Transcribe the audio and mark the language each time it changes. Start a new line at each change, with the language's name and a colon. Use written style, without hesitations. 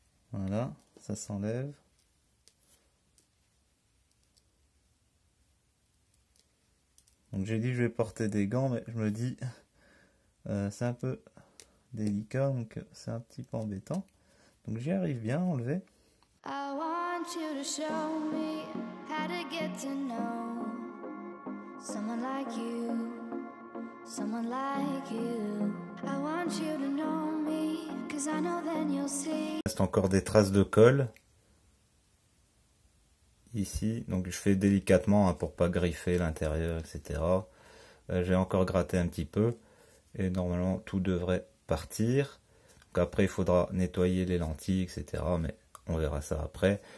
French: Voilà, ça s'enlève. Donc j'ai dit je vais porter des gants, mais je me dis c'est un peu délicat, donc c'est un petit peu embêtant. Donc j'y arrive bien à enlever.
English: I want you to show me how to get to know someone like you. Someone like you. I want you to know me, 'cause I know then you'll see.
French: Il reste encore des traces de colle ici, donc je fais délicatement hein, pour pas griffer l'intérieur, etc. J'ai encore gratté un petit peu et normalement tout devrait partir. Donc après, il faudra nettoyer les lentilles, etc. Mais on verra ça après.